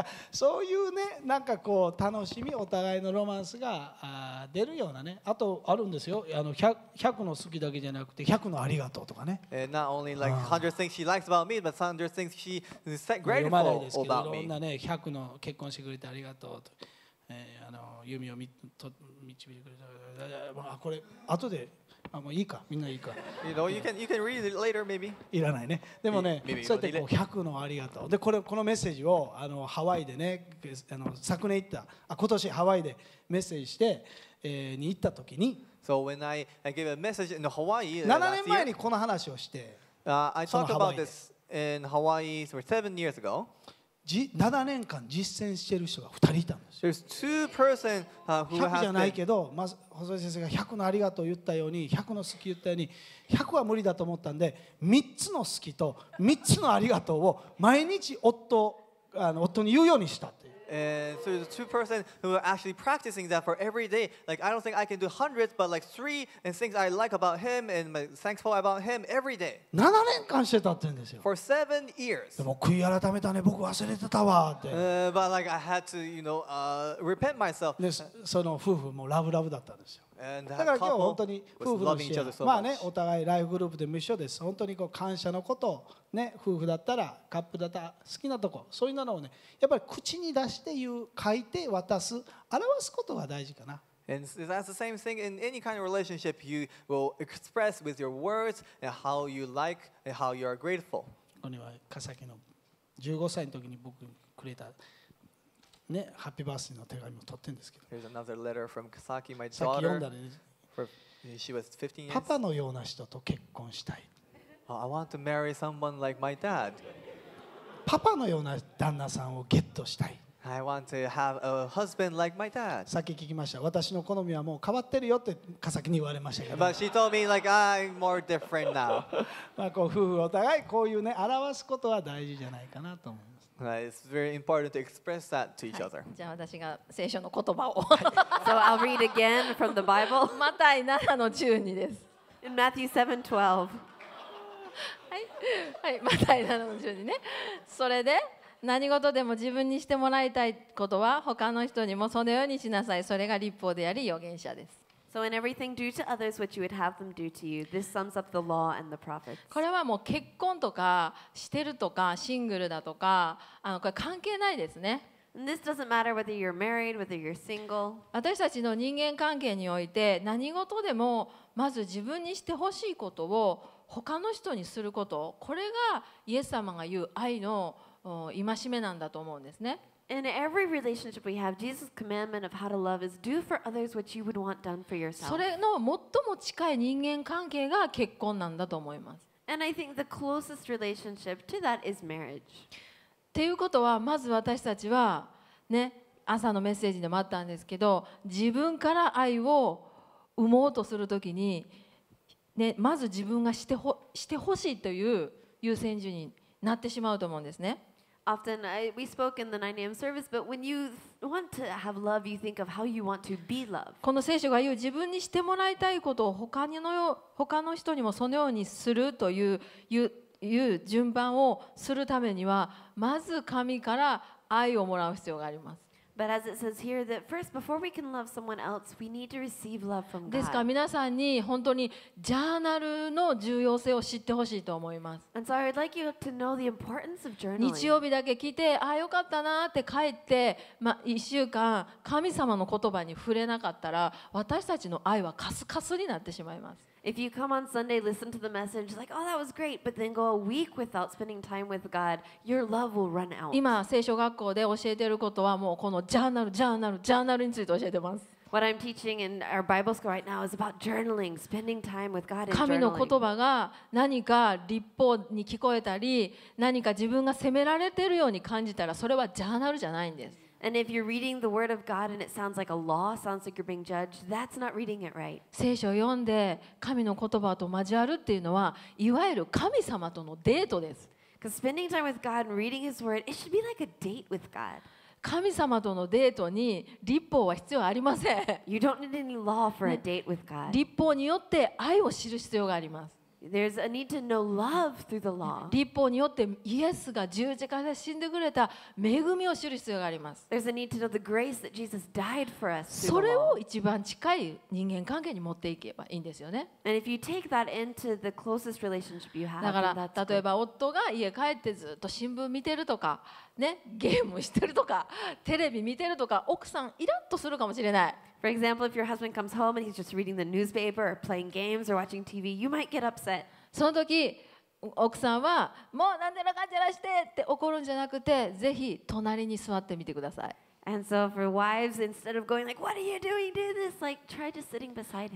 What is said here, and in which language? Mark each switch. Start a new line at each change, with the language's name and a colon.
Japanese: そういうね、なんかこう楽しみ、お互いのロマンスが出るようなね、あとあるんですよ、100の好きだけじゃなくて、100のありがとうとかね。
English: Not only like 100 things she likes about me, but 100 things she is grateful about me.
Japanese: いろんなね、100の結婚してくれてありがとうと。弓を導いてくれた。これ後であ、もういいか、みんないいか。
English: You know, you can read it later, maybe.
Japanese: いらないね。でもね、そうやってこう100のありがとう。で、これこのメッセージをあのハワイでね、あの昨年行った、あ、今年ハワイでメッセージして、に行った時に、
English: So when I gave a message in Hawaii,
Japanese: 7年前にこの話をして、
English: I talked about this in Hawaii for 7 years ago.
Japanese: 7年間実践してる人が2人いたんですよ。
English: There's two person, who
Japanese: 100じゃないけど、まあ、細井先生が100のありがとう言ったように、100の好き言ったように、100は無理だと思ったんで、3つの好きと3つのありがとうを毎日夫に言うようにしたっていう。
English: And so there's two person who are actually practicing that for every day. Like, I don't think I can do hundreds, but like three and things I like about him and my thankful about him every day.
Japanese: 7年間してたって言うんですよ。
English: For 7 years.
Japanese: でも悔い改めたね、僕忘れてたわって。
English: But like I had to, you know, repent myself.
Japanese: で、その夫婦もラブラブだったんですよ。
English: And that couple was loving each other so much.
Japanese: まあね、お互いライフグループでも一緒です。本当にこう感謝のことを。ね、夫婦だったらカップだったら好きなとこそういうのをねやっぱり口に出して言う書いて渡す表すことが大事かな。
English: And that's the same thing in any kind of relationship. You will express with your words and how you like and how you are grateful.
Japanese: これは笠木の15歳の時に僕くれたね、ハッピーバースデーの手紙も取ってんですけど。
English: Here's another letter from Kasaki, my daughter.
Japanese: さっき読んだね。
English: She was 15 years.
Japanese: パパのような人と結婚したい。
English: I want to marry someone like my dad.
Japanese: パパのような旦那さんをゲットしたい。
English: I want to have a husband like my dad.
Japanese: さっき聞きました。私の好みはもう変わってるよって笠木に言われましたけど。
English: But she told me like I'm more different now.
Japanese: まあこう夫婦お互いこういうね表すことは大事じゃないかなと思います。
English: It's very important to express that to each other.
Japanese: じゃあ私が聖書の言葉を。
English: So I'll read again from the Bible.
Japanese: マタイ7の12です。
English: In Matthew 7:12.
Japanese: はい、マタイ7の12ね。それで何事でも自分にしてもらいたいことは他の人にもそのようにしなさい。それが律法であり預言者です。
English: So in everything do to others what you would have them do to you. This sums up the law and the prophets.
Japanese: これはもう結婚とかしてるとかシングルだとかこれ関係ないですね。
English: And this doesn't matter whether you're married, whether you're single.
Japanese: 私たちの人間関係において何事でもまず自分にしてほしいことを他の人にすること、これがイエス様が言う愛の戒めなんだと思うんですね。
English: In every relationship we have, Jesus' commandment of how to love is do for others what you would want done for yourself.
Japanese: それの最も近い人間関係が結婚なんだと思います。
English: And I think the closest relationship to that is marriage.
Japanese: ということは、まず私たちはね、朝のメッセージでもあったんですけど、自分から愛を生もうとするときに。ね、まず自分がして欲しいという優先順位になってしまうと思うんですね。
English: Often we spoke in the 9 a.m. service, but when you want to have love, you think of how you want to be loved.
Japanese: この聖書が言う自分にしてもらいたいことを他の人にもそのようにするという順番をするためには、まず神から愛をもらう必要があります。
English: But as it says here, that first, before we can love someone else, we need to receive love from God.
Japanese: ですから皆さんに本当にジャーナルの重要性を知ってほしいと思います。
English: And so I would like you to know the importance of journaling.
Japanese: 日曜日だけ来て、ああよかったなって帰って、まあ1週間神様の言葉に触れなかったら、私たちの愛はカスカスになってしまいます。
English: If you come on Sunday, listen to the message, like, oh, that was great, but then go a week without spending time with God, your love will run out.
Japanese: 今聖書学校で教えていることはもうこのジャーナル、ジャーナル、ジャーナルについて教えてます。
English: What I'm teaching in our Bible school right now is about journaling, spending time with God.
Japanese: 神の言葉が何か律法に聞こえたり、何か自分が責められているように感じたら、それはジャーナルじゃないんです。
English: And if you're reading the word of God and it sounds like a law, sounds like you're being judged, that's not reading it right.
Japanese: 聖書を読んで神の言葉と交わるっていうのは、いわゆる神様とのデートです。
English: Because spending time with God and reading His word, it should be like a date with God.
Japanese: 神様とのデートに律法は必要ありません。
English: You don't need any law for a date with God.
Japanese: 律法によって愛を知る必要があります。
English: There's a need to know love through the law.
Japanese: 律法によってイエスが十字架で死んでくれた恵みを知る必要があります。
English: There's a need to know the grace that Jesus died for us.
Japanese: それを一番近い人間関係に持っていけばいいんですよね。
English: And if you take that into the closest relationship you have,
Japanese: だから例えば夫が家帰ってずっと新聞見てるとか、ね、ゲームしてるとかテレビ見てるとか奥さんイラッとするかもしれない。
English: For example, if your husband comes home and he's just reading the newspaper or playing games or watching TV, you might get upset.
Japanese: その時奥さんはもうなんでらかんじゃらしてって怒るんじゃなくて、ぜひ隣に座ってみてください。
English: And so for wives, instead of going like, "What are you doing? Do this!" like try just sitting beside him.